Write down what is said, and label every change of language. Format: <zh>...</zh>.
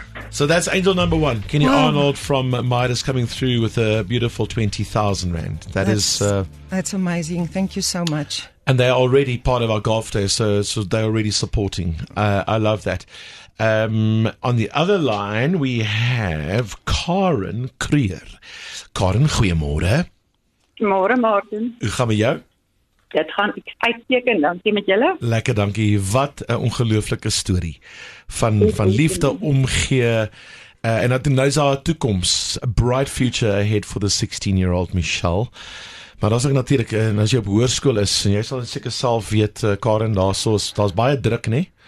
<en>So that's angel number one, Kenny Arnold from Midas, coming through with a beautiful 20,000 Rand. That's amazing. Thank you so much. And they're already part of our golf day, so they're already supporting. I love that. On the other line, we have Karen Krier.</en> <af>Karen, goeiemôre. Môre, Martin. Hoe gaan we jou? Dit gaan ek uitteken, dankie met julle. Lekker dankie, wat 'n ongelooflike story. Van liefde omgee, en dat nou is haar toekoms,</af> <en>a bright future ahead for the 16-year-old Michelle.</en> <af>Maar as ek natuurlik, en as jy op hoërskool is, en jy sal seker self weet, Karen, daar's baie druk, nie?</af>